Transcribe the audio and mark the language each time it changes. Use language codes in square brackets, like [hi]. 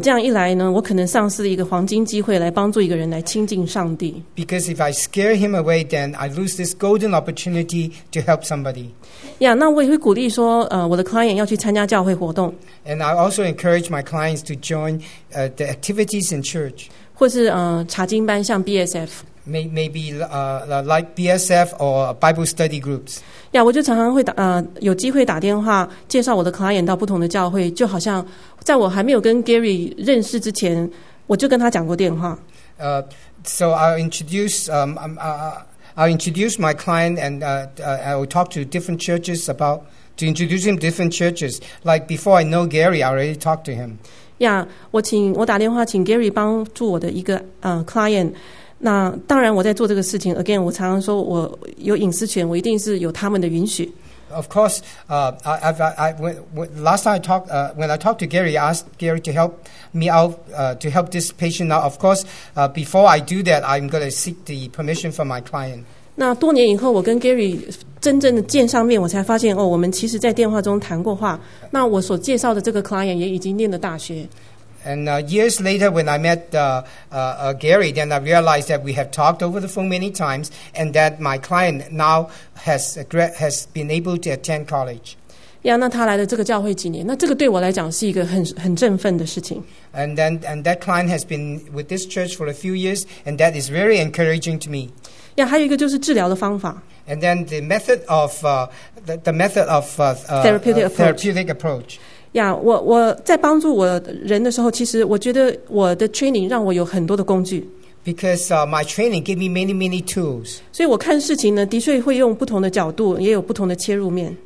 [zh] 这样一来呢，我可能丧失了一个黄金机会来帮助一个人来亲近上帝。 [en] Because if I scare him away, then I lose this golden opportunity to help somebody. [zh] Yeah, 那我也会鼓励说，我的 client 要去参加教会活动。 [en] And I also encourage my clients to join the activities in church. [zh] 或是查经班，像 BSF。 [en] Maybe like BSF or Bible study groups. [zh] Yeah, 我就常常会有机会打电话介绍我的 client 到不同的教会，就好像在我还没有跟 Gary 认识之前，我就跟他讲过电话。 [en] So I'll introduce my client and I will talk to different churches about to introduce him to different churches. Like before I know Gary, I already talked to him. [zh] Yeah, 我打电话请 Gary 帮助我的一个client。那当然我在做这个事情 again 我常常说我有隐私权，我一定是有他们的允许。 [en] Of course when I talked to Gary, I asked Gary to help me out to help this patient. Now of course before I do that, I'm going to seek the permission from my client. [zh] 那多年以后我跟 Gary 真正的见上面，我才发现哦，我们其实在电话中谈过话。那我所介绍的这个 client 也已经念了大学。 [en] And years later when I met Gary, then I realized that we have talked over the phone many times and that my client now has been able to attend college. [zh] Yeah, 那他来了这个教会几年，那这个对我来讲是一个很振奋的事情。 [en] And that client has been with this church for a few years and that is very encouraging to me. [zh] Yeah, 还有一个就是治疗的方法。 [en] And then the method of, therapeutic approach. [zh] Yeah, 我在帮助我人的时候，其实我觉得我的 training 让我有很多的工具。 [en] Because my training gave me many, many tools. [zh] 所以我看事情呢，的确会用不同的角度，也有不同的切入面。